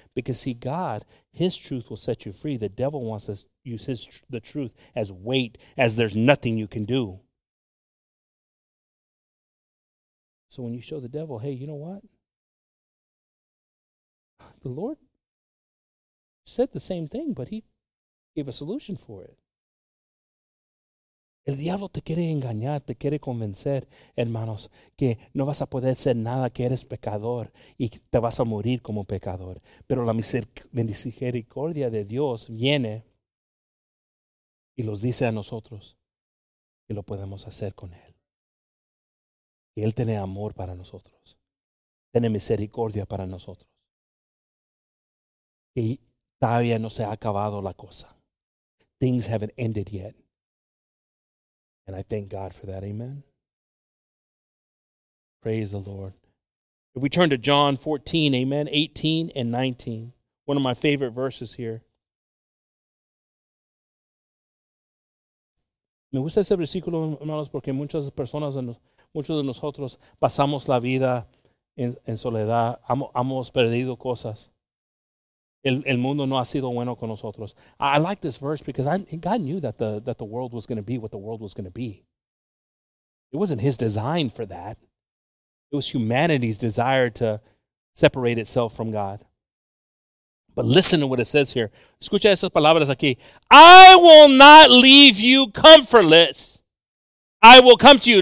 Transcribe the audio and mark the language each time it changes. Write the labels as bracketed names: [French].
[English] Because, see, God, his truth will set you free. The devil wants to use his the truth as weight, as there's nothing you can do. So when you show the devil, hey, you know what? The Lord said the same thing, but he gave a solution for it. [Spanish] El diablo te quiere engañar, te quiere convencer, hermanos, que no vas a poder ser nada, que eres pecador y te vas a morir como pecador. Pero la misericordia de Dios viene y los dice a nosotros que lo podemos hacer con Él. Y Él tiene amor para nosotros. Tiene misericordia para nosotros. Y todavía no se ha acabado la cosa. [English] Things haven't ended yet. And I thank God for that. Amen. Praise the Lord. If we turn to John 14, amen, 18 and 19. One of my favorite verses here. [Spanish] Me gusta ese versículo, hermanos, porque muchas personas, muchos de nosotros pasamos la vida en soledad. Hemos perdido cosas. El mundo no ha sido bueno con nosotros. [English] I like this verse because God knew that the world was going to be what the world was going to be. It wasn't his design for that. It was humanity's desire to separate itself from God. But listen to what it says here. [Spanish] Escucha esas palabras aquí. [English] I will not leave you comfortless. I will come to you.